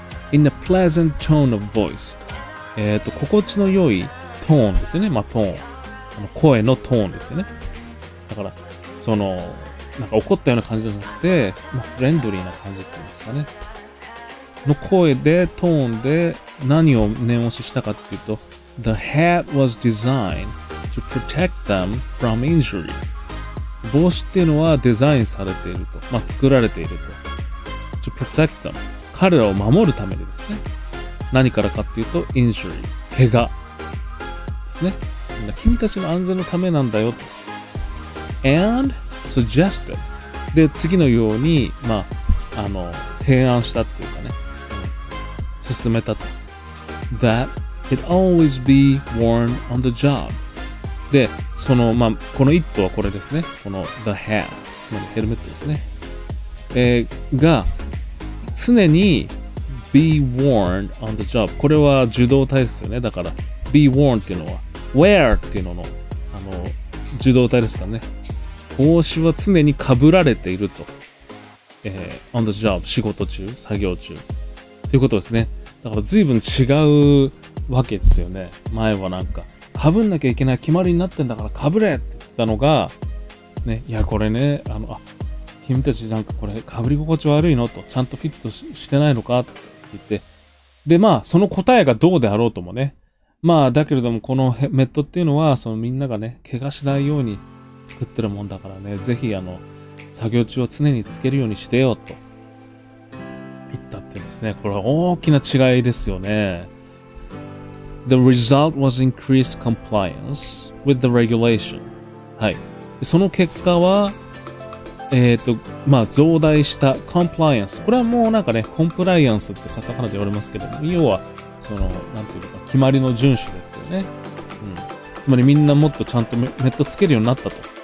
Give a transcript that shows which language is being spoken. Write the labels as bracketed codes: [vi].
[en] In a pleasant tone of voice、 [ja] 心地の良いトーンですよね。トーン、声のトーンですよね。だからなんか怒ったような感じじゃなくて、フレンドリーな感じって言うんですかね、の声でトーンで何を念押ししたかっていうと、 [en] The hat was designed to protect them from injury. [ja] 帽子っていうのはデザインされていると、まあ、作られていると。 [en] To protect them. [ja] 彼らを守るためにですね。何からかっていうと、injury。怪我。ですね。君たちの安全のためなんだよと。 [en] And suggested. [ja] で、次のように、まあ、提案したっていうかね。進めたと。 [en] That it always be worn on the job. [ja] で、その、まあ、この一頭はこれですね。この the hat。ヘルメットですね。が、常に [en] be worn on the job。 [ja] これは受動態ですよね。だから be worn っていうのは wear っていうのの、受動態ですかね。帽子は常に被られていると、 [en] on the job、 [ja] 仕事中、作業中ということですね。だから随分違うわけですよね。前はなんか被んなきゃいけない決まりになってんだから被れって言ったのが、ね、いやこれね、君たちなんかこれ被り心地悪いのと、ちゃんとフィット してないのかって言って、でまあその答えがどうであろうともね、まあだけれどもこのメットっていうのはそのみんながね怪我しないように作ってるもんだからね、ぜひ作業中は常につけるようにしてよと言ったっていうんですね。これは大きな違いですよね。 [en] The result was increased compliance with the regulation。 [ja] はい、その結果はまあ、増大したコンプライアンス。これはもうなんかね、コンプライアンスってカタカナで言われますけども、要は、なんていうか、決まりの遵守ですよね。うん。つまりみんなもっとちゃんとメットつけるようになったと。